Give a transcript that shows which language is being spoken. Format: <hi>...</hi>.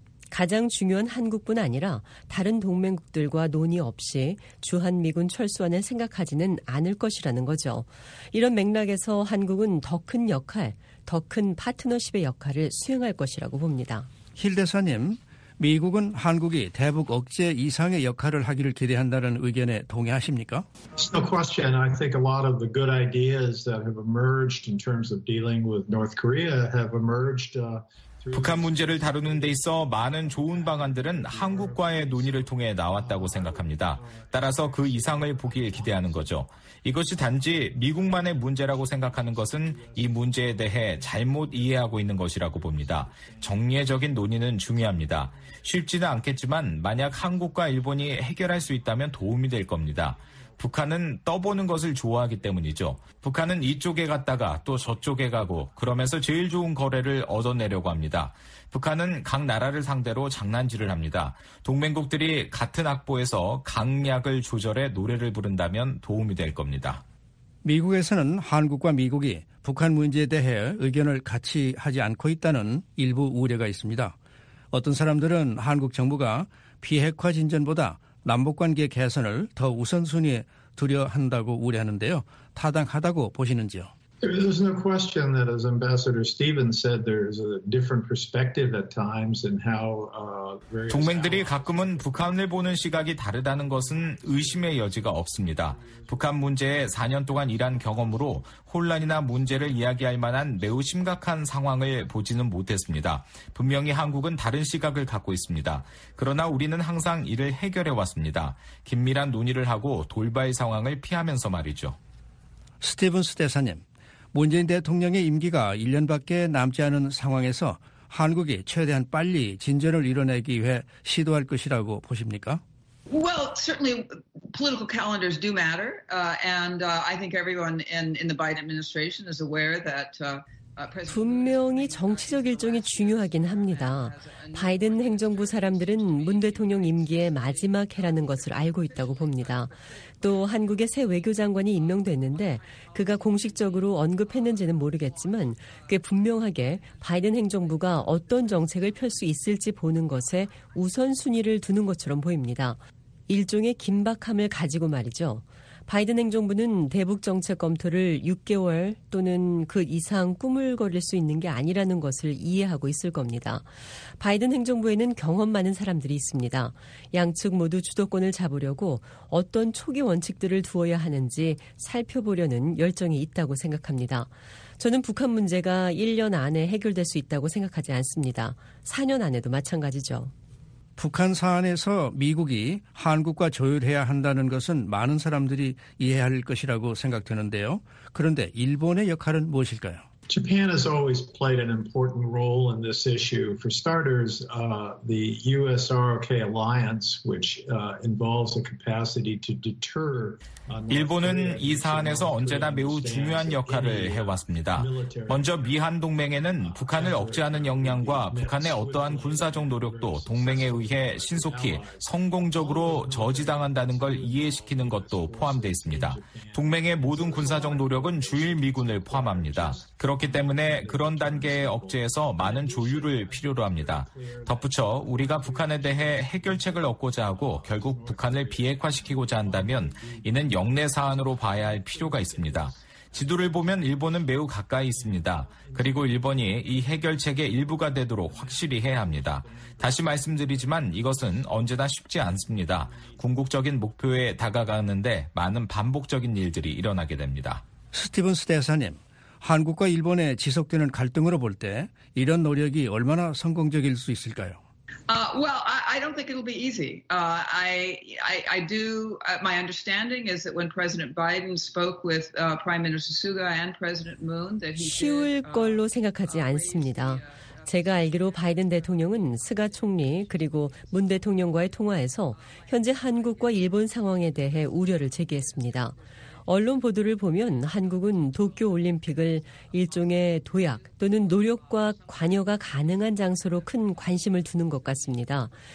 <ko>가장 중요한 한국뿐 아니라 다른 동맹국들과 논의 없이 주한미군 철수안을 생각하지는 않을 것이라는 거죠. 이런 맥락에서 한국은 더 큰 역할, 더 큰 파트너십의 역할을 수행할 것이라고 봅니다. 힐 대사님, 미국은 한국이 대북 억제 이상의 역할을 하기를 기대한다는 의견에 동의하십니까?</ko> <en>No question. I think a lot of the good ideas that have emerged in terms of dealing with North Korea have emerged</en> <ko>북한 문제를 다루는 데 있어 많은 좋은 방안들은 한국과의 논의를 통해 나왔다고 생각합니다. 따라서 그 이상을 보길 기대하는 거죠. 이것이 단지 미국만의 문제라고 생각하는 것은 이 문제에 대해 잘못 이해하고 있는 것이라고 봅니다. 정례적인 논의는 중요합니다. 쉽지는 않겠지만 만약 한국과 일본이 해결할 수 있다면 도움이 될 겁니다. 북한은 떠보는 것을 좋아하기 때문이죠. 북한은 이쪽에 갔다가 또 저쪽에 가고 그러면서 제일 좋은 거래를 얻어내려고 합니다. 북한은 각 나라를 상대로 장난질을 합니다. 동맹국들이 같은 악보에서 강약을 조절해 노래를 부른다면 도움이 될 겁니다. 미국에서는 한국과 미국이 북한 문제에 대해 의견을 같이 하지 않고 있다는 일부 우려가 있습니다. 어떤 사람들은 한국 정부가 비핵화 진전보다 남북관계 개선을 더 우선순위에 두려워한다고 우려하는데요. 타당하다고 보시는지요?</ko> <en>There's no question that, as Ambassador Stevens said, there's a different perspective at times in how</en> <ko>동맹들이 가끔은 북한을 보는 시각이 다르다는 것은 의심의 여지가 없습니다. 북한 문제에 4년 동안 일한 경험으로 혼란이나 문제를 이야기할 만한 매우 심각한 상황을 보지는 못했습니다. 분명히 한국은 다른 시각을 갖고 있습니다. 그러나 우리는 항상 이를 해결해 왔습니다. 긴밀한 논의를 하고 돌발 상황을 피하면서 말이죠. 스티븐스 대사님. 문재인 대통령의 임기가 1년밖에 남지 않은 상황에서 한국이 최대한 빨리 진전을 이뤄내기 위해 시도할 것이라고 보십니까?</ko> <en>Well, certainly political calendars do matter, and I think everyone in the Biden administration is aware that</en> <ko>분명히 정치적 일정이 중요하긴 합니다. 바이든 행정부 사람들은 문 대통령 임기의 마지막 해라는 것을 알고 있다고 봅니다. 또 한국의 새 외교장관이 임명됐는데 그가 공식적으로 언급했는지는 모르겠지만 꽤 분명하게 바이든 행정부가 어떤 정책을 펼 수 있을지 보는 것에 우선순위를 두는 것처럼 보입니다. 일종의 긴박함을 가지고 말이죠. 바이든 행정부는 대북 정책 검토를 6개월 또는 그 이상 꾸물거릴 수 있는 게 아니라는 것을 이해하고 있을 겁니다. 바이든 행정부에는 경험 많은 사람들이 있습니다. 양측 모두 주도권을 잡으려고 어떤 초기 원칙들을 두어야 하는지 살펴보려는 열정이 있다고 생각합니다. 저는 북한 문제가 1년 안에 해결될 수 있다고 생각하지 않습니다. 4년 안에도 마찬가지죠. 북한 사안에서 미국이 한국과 조율해야 한다는 것은 많은 사람들이 이해할 것이라고 생각되는데요. 그런데 일본의 역할은 무엇일까요?</ko> <en>Japan has always played an important role in this issue. For starters, the USROK alliance, which involves a capacity to deter.</en> <ko>일본은 이 사안에서 언제나 매우 중요한 역할을 해왔습니다. 먼저 미한 동맹에는 북한을 억제하는 역량과 북한의 어떠한 군사적 노력도 동맹에 의해 신속히 성공적으로 저지당한다는 걸 이해시키는 것도 포함되어 있습니다. 동맹의 모든 군사적 노력은 주일 미군을 포함합니다. 그렇기 때문에 그런 단계의 억제에서 많은 조율을 필요로 합니다. 덧붙여 우리가 북한에 대해 해결책을 얻고자 하고 결국 북한을 비핵화시키고자 한다면 이는 역내 사안으로 봐야 할 필요가 있습니다. 지도를 보면 일본은 매우 가까이 있습니다. 그리고 일본이 이 해결책의 일부가 되도록 확실히 해야 합니다. 다시 말씀드리지만 이것은 언제나 쉽지 않습니다. 궁극적인 목표에 다가가는데 많은 반복적인 일들이 일어나게 됩니다. 스티븐스 대사님, 한국과 일본의 지속되는 갈등으로 볼 때 이런 노력이 얼마나 성공적일 수 있을까요?</ko> <en>Well, I don't think it'll be easy. My understanding is that when President Biden spoke with Prime Minister Suga and President Moon, that he</en> <ko>쉬울 걸로 생각하지 않습니다. 제가 알기로 바이든 대통령은 스가 총리 그리고 문 대통령과의 통화에서 현재 한국과 일본 상황에 대해 우려를 제기했습니다. 언론 보도를 보면 한국은 도쿄올림픽을 일종의 도약 또는 노력과 관여가 가능한 장소로 큰 관심을 두는 것 같습니다.</ko>